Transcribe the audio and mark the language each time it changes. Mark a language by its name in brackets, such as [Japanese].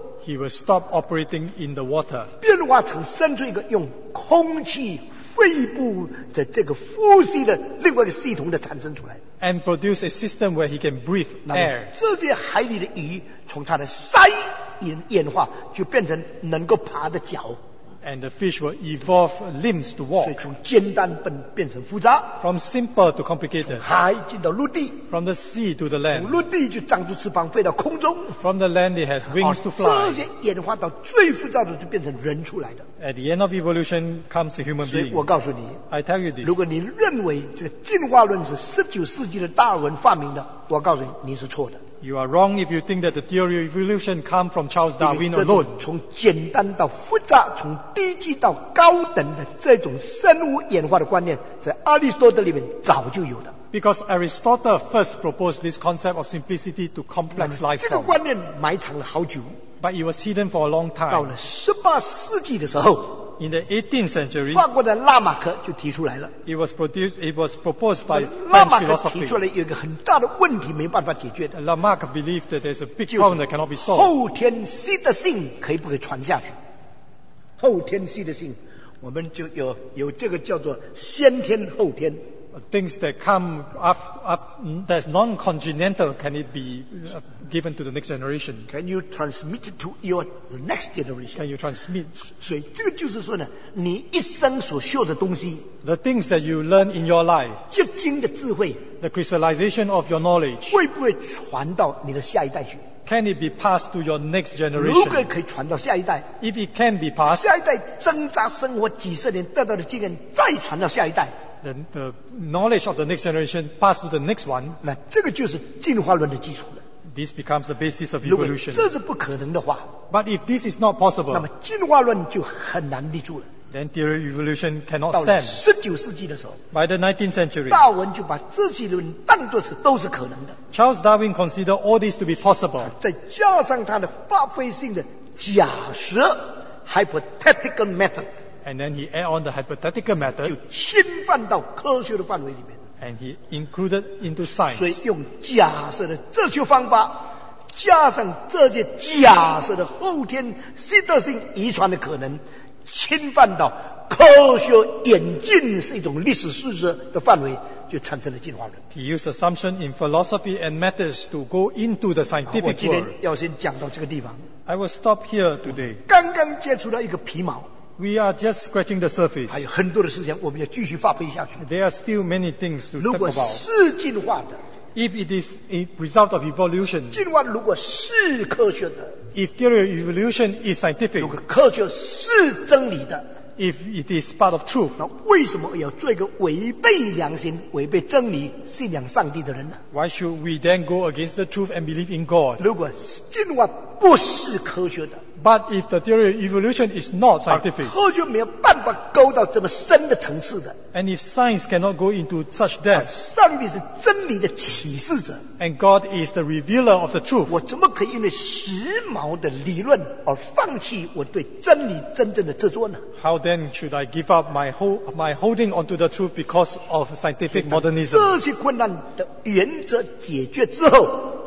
[English] He will stop operating in the water. [Chinese] 变化成生出一个用空气、肺部的这个呼吸的另外一个系统的产生出来。 [English] And produce a system where he can breathe air. [Chinese] 这些海里的鱼从它的鳃演化就变成能够爬的脚。 [English] And the fish will evolve limbs to walk. [Chinese] 所以从简单变成复杂, [English] from simple to complicated. [Chinese] 从海进到陆地, [English] from the sea to the land. [Chinese] 从陆地就长出翅膀飞到空中, [English] from the land it has wings to fly. [Chinese] 这些演化到最复杂的就变成人出来的。 [English] At the end of evolution comes a human being. [Chinese] 所以我告诉你, [English] I tell you this. [Chinese] 如果你认为这个进化论是19世纪的达尔文发明的, 我告诉你你是错的。 [English] You are wrong if you think that the theory of evolution comes from Charles Darwin alone. [Chinese] 从简单到复杂, 从低级到高等的这种生物演化的观念, 在阿里斯多德里面早就有的。 [English] Because Aristotle first proposed this concept of simplicity to complex life form. [Chinese] 这个观念埋藏了好久, [English] but it was hidden for a long time. [Chinese] 到了18世纪的时候, [English] in the 18th century, [Chinese] 法国的拉马克就提出来了, [English] it was proposed by French philosophy. [Chinese] 拉马克提出来有一个很大的问题没办法解决的, [English] Lamarck believed that there's a big problem that cannot be solved. [Chinese] 后天习的性可以不可以传下去?后天习的性, 我们就有这个叫做先天后天, [English] things that come up that's non-congenital, can it be given to the next generation? Can you transmit it to your next generation? Can you transmit? [Chinese] 所以这个就是说呢, 你一生所学的东西, [English] the things that you learn in your life, [Chinese] 结晶的智慧, [English] the crystallization of your knowledge, [Chinese] 会不会传到你的下一代去? [English] Can it be passed to your next generation? [Chinese] 如果可以传到下一代, [English] if it can be passed, [Chinese] 下一代挣扎生活几十年得到的经验再传到下一代, [English] the knowledge of the next generation passed to the next one. [Chinese] 那这个就是进化论的基础了。 [English] This becomes the basis of evolution. [Chinese] 如果这是不可能的话, [English] but if this is not possible, [Chinese] 那么进化论就很难立住了。 [English] Then theory of evolution cannot stand. [Chinese] 到了19世纪的时候, [English] by the 19th century, [Chinese] 达尔文就把这些论当作是都是可能的。 [English] Charles Darwin considered all this to be possible. [Chinese] 再加上他的发挥性的假设, [English] hypothetical method. And then he added on the hypothetical method. [Chinese] 就侵犯到科学的范围里面, [English] and he included into science. [Chinese] 所以用假设的这些方法, 加上这些假设的后天习得性遗传的可能, 侵犯到科学演进是一种历史事实的范围, 就产生了进化论。 [English] He used assumption in philosophy and methods to go into the scientific world. [Chinese] 我今天要先讲到这个地方, [English] I will stop here today. [Chinese] 刚刚接触到一个皮毛, [English] we are just scratching the surface. [Chinese] 还有很多的事情我们要继续发挥下去。 [English] There are still many things to talk about. [Chinese] 如果是进化的, [English] if it is a result of evolution, [Chinese] 进化如果是科学的, [English] if theory of evolution is scientific, [Chinese] 如果科学是真理的, [English] if it is part of truth, [Chinese] 那为什么要做一个违背良心, 违背真理, 信仰上帝的人呢? [English] Why should we then go against the truth and believe in God? [Chinese] 如果进化不是科学的, [English] but if the theory of evolution is not scientific, [Chinese] 科学没有办法勾到这么深的层次的, [English] and if science cannot go into such depth, [Chinese] 上帝是真理的启示者, [English] and God is the revealer of the truth, [Chinese] 我怎么可以因为时髦的理论 而 放弃我对真理真正的执着呢? [English] How then should I give up my holding onto the truth because of scientific modernism? [Chinese] 这些困难的原则解决之后,